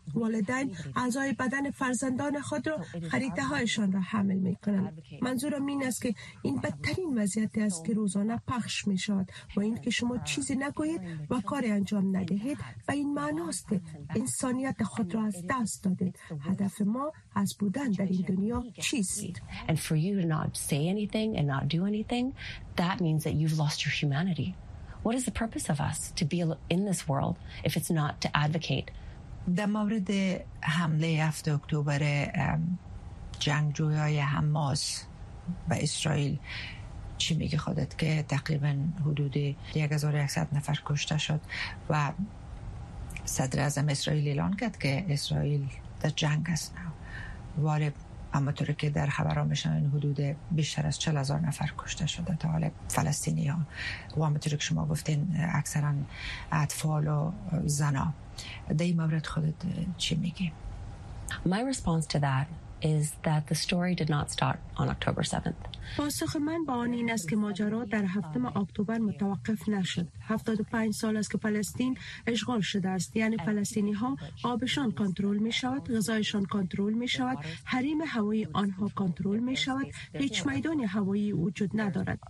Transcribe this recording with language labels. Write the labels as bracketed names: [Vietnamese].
[Persian] والدین اعضای بدن فرزندان خود را خریده هایشان را حمل می کنند. منظورم این است که این بدترین وضعیتی است که روزانه پخش می شود و این که شما چیزی نگویید و کاری انجام ندهید به این معناست که انسانیت خود را از دست دادید. هدف ما از بودن در این دنیا چیست؟ [English] And for you to not say anything and not do anything, that means that you've lost your humanity. What is the purpose of us to be in this world if it's not to advocate? [Persian] در مورد حمله 7 اکتبر جنگجویای حماس به اسرائیل چی میگه خودت که تقریبا حدود 1,100 نفر کشته شد و صدر اعظم اسرائیل اعلان کرد که اسرائیل در جنگ است وارد، اما طوری که در خبرها میشن این حدود بیشتر از 40,000 نفر کشته شده تا حال فلسطینی ها و اما طوری که شما گفتین اکثرا اطفال و زنا، در این مورد خودت چی میگی؟ [English] My response to that is that the story did not start on October 7th. [Persian] پاسخ من با آن این است که ماجرا در 7 اکتبر متوقف نشد. 75 سال است که فلسطین اشغال شده است. یعنی فلسطینی ها آبشان کنترل می شود، غذایشان کنترل می شود، حریم هوایی آنها کنترل می شود، هیچ میدان هوایی وجود ندارد.